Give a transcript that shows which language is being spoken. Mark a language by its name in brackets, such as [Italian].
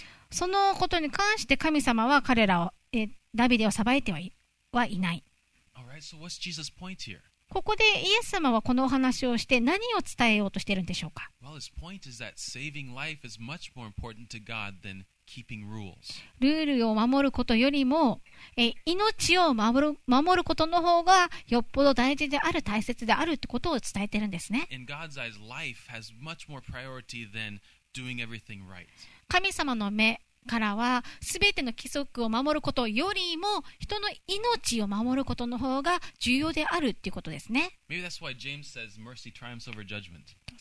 [Japanese] そのことに関して神様は彼らを、ダビデを裁いてはいない。 [English] Right, so、 [Japanese] ここでイエス様はこのお話をして何を伝えようとしているんでしょうか。 [English] Well, his point is that saving life is much more important to God than keeping rules. [Japanese] ルールを守ることよりも、命を守ることの方がよっぽど大事である、大切であるということを伝えているんですね。 [English] In God's eyes, life has much more priority than doing everything right. [Japanese] 神様の目からは全ての規則を守ることよりも人の命を守ることの方が重要であるということですね。 [English] Maybe that's why James says mercy triumphs over judgment.